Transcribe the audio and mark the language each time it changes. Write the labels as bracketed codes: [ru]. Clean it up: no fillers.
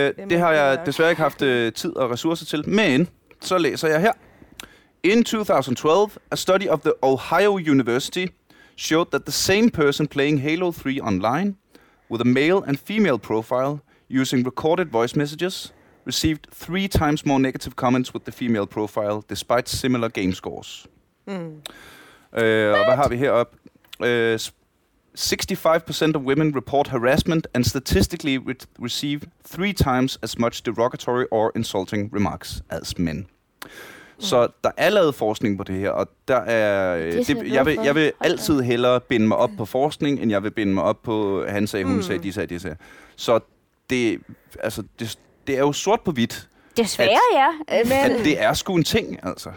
[da] Det har jeg desværre ikke haft tid og ressourcer til, men så læser jeg her. [en] In 2012, a study of the Ohio University showed that the same person playing Halo 3 online with a male and female profile using recorded voice messages, received 3 times more negative comments with the female profile, despite similar game scores. [da] Og hvad har vi heroppe? [en] 65% of women report harassment and statistically receive 3 times as much derogatory or insulting remarks as men. [da] Så der er lavet forskning på det her, og der er jeg vil altid hellere binde mig op på forskning, end jeg vil binde mig op på han sagde, hun sagde, de sagde. Så Det er jo sort på hvidt. Desværre, ja. Men det er sgu en ting, altså.